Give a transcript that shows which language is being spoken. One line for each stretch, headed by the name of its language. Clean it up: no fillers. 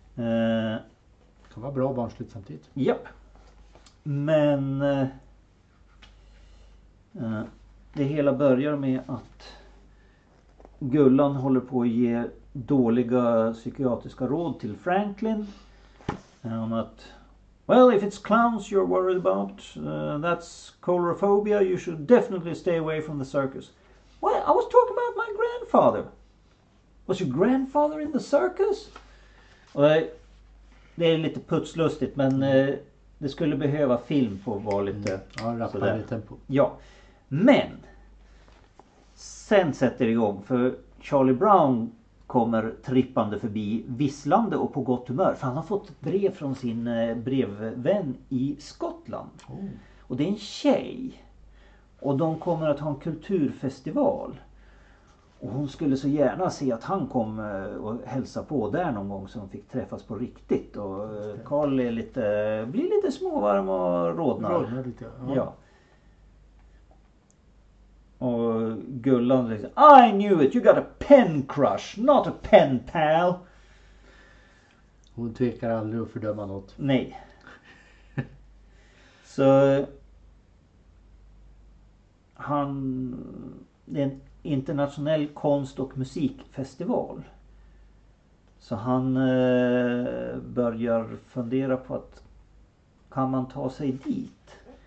Swedish: Det kan vara bra barnsligt samtidigt. Japp. Men det hela börjar med att Gullan håller på att ge dåliga psykiatriska råd till Franklin. Om att,
English: well, if it's clowns you're worried about, that's coulrophobia, you should definitely stay away from the circus. Well, I was talking about my grandfather. Was your grandfather in the circus?
Swedish: Det är lite putslustigt, men det skulle behöva film på att vara lite... Ja, rappade i tempo. Ja, men sen sätter det igång, för Charlie Brown kommer trippande förbi, visslande och på gott humör. För han har fått brev från sin brevvän i Skottland. Oh. Och det är en tjej. Och de kommer att ha en kulturfestival. Och hon skulle så gärna se att han kom och hälsa på där någon gång så de fick träffas på riktigt. Och Carl är lite, blir lite småvarm och rodnar. Rodnar lite, ja. Och Gullan säger,
English: I knew it, you got a pen crush, not a pen pal.
Swedish: Hon tvekar aldrig att fördöma något. Nej. Så han, det är en internationell konst- och musikfestival. Så han börjar fundera på att kan man ta sig dit?